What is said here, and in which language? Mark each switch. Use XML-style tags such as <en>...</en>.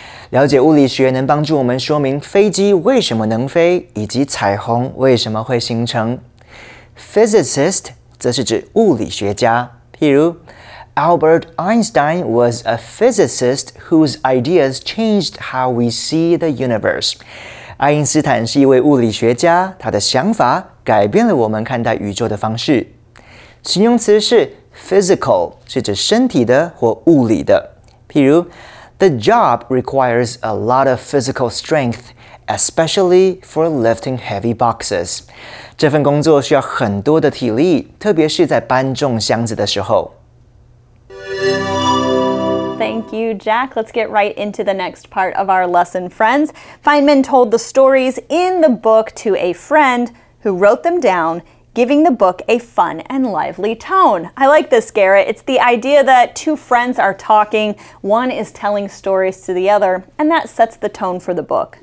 <zh>了解物理学能帮助我们说明飞机为什么能飞，以及彩虹为什么会形成。</zh> <en>Physicist</en> <zh>则是指物理学家，譬如</zh> <en>Albert Einstein was a physicist whose ideas changed how we see the universe.</en> <zh>爱因斯坦是一位物理学家，他的想法改变了我们看待宇宙的方式。形容词是</zh> <en>physical，</en> <zh>是指身体的或物理的，譬如</zh> <en>The job requires a lot of physical strength, especially for lifting heavy boxes.</en> <zh>这份工作需要很多的体力，特别是在搬重箱子的时候。</zh> <en>Thank you, Jack. Let's get right into the next part of our lesson, friends. Feynman told the stories in the book to a friend who wrote them down, giving the book a fun and lively tone. I like this, Garrett. It's the idea that two friends are talking, one is telling stories to the other, and that sets the tone for the book.</en>